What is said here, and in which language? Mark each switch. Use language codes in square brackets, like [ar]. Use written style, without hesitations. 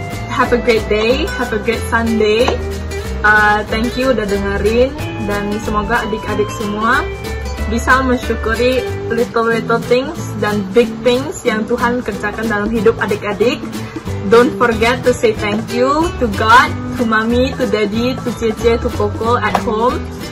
[en] Have a great day, have a great Sunday. Thank you [id] udah dengerin. Dan semoga adik-adik semua bisa mensyukuri [en] little things [id] dan [en] big things [id] yang Tuhan kerjakan dalam hidup adik-adik. [en] Don't forget to say thank you to God, to Mommy, to Daddy, to Cece, to Coco at home.